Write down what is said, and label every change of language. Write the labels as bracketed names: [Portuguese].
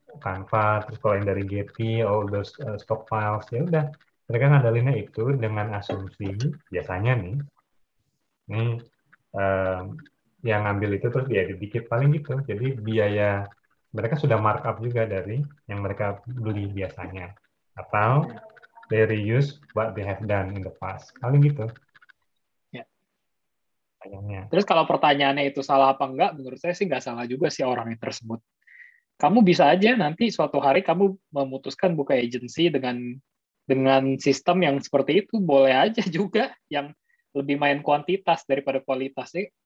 [Indonesian] Canva, terus kalau yang dari Getty, [English] all those stock files, [Indonesian] ya udah. Mereka ngadalinnya itu dengan asumsi, biasanya nih, ini yang ngambil itu terus diedit dikit, paling gitu. Jadi biaya mereka sudah markup juga dari yang mereka beli biasanya. [English] Atau they reuse what they have done in the past. [Indonesian] Paling gitu. Ya. Terus kalau pertanyaannya itu salah apa enggak, menurut saya sih enggak salah juga sih orang yang tersebut. Kamu bisa aja nanti suatu hari kamu memutuskan buka agency dengan sistem yang seperti itu. Boleh aja juga yang lebih main kuantitas daripada kualitas.